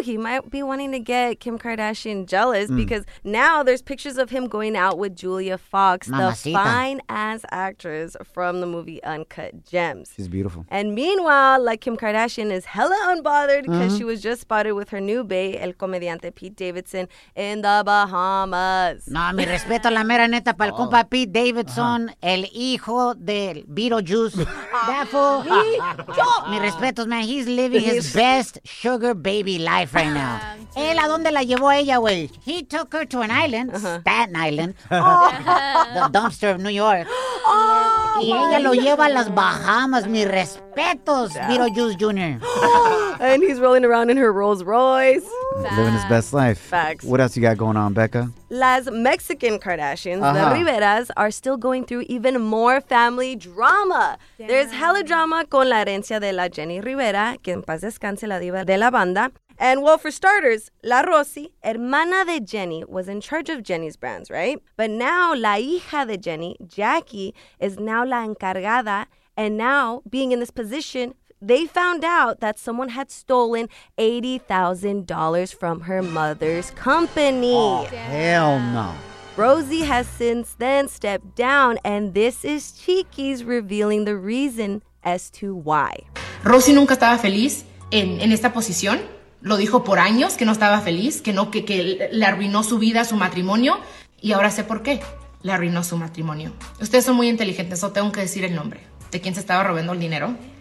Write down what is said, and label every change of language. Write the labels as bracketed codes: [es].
[en] He might be wanting to get Kim Kardashian jealous because now there's pictures of him going out with Julia Fox, [es] Mamacita, [en] the fine-ass actress from the movie Uncut Gems. She's beautiful. And meanwhile, like Kim Kardashian is hella unbothered because she was just spotted with her new bae, [es] el comediante [en] Pete Davidson, in the Bahamas. [es] No, mi respeto la mera neta para el compa Pete Davidson, el hijo del Beetlejuice. Mi respeto, [en] man. He's living his best sugar baby life right now. [es] Él a dónde la llevó a ella, güey? [en] He took her to an island, Staten Island, the dumpster of New York. Oh, [es] y ella lo lleva a las Bahamas, mis respetos, Beetlejuice Jr. [en] And he's rolling around in her Rolls Royce. Living his best life. Facts. What else you got going on, Becca? [es] Las Mexican Kardashians, uh-huh. [en] the Riveras, are still going through even more family drama. Damn. There's hella drama [es] con la herencia de la Jenny Rivera, que en paz descanse la diva de la banda. [en] And well, for starters, La Rosy, [es] hermana de Jenny, [en] was in charge of Jenny's brands, right? But now, [es] la hija de Jenny, [en] Jackie, is now [es] la encargada. [en] And now, being in this position, they found out that someone had stolen $80,000 from her mother's company. Oh, hell no. Rosie has since then stepped down, and this is Cheeky's revealing the reason as to why. [es] Rosie nunca estaba feliz en esta posición. Lo dijo por años que no estaba feliz, que no, que le arruinó su vida, su matrimonio. Y ahora sé por qué le arruinó su matrimonio. Ustedes son muy inteligentes, eso tengo que decir el nombre de quién se estaba robando el dinero.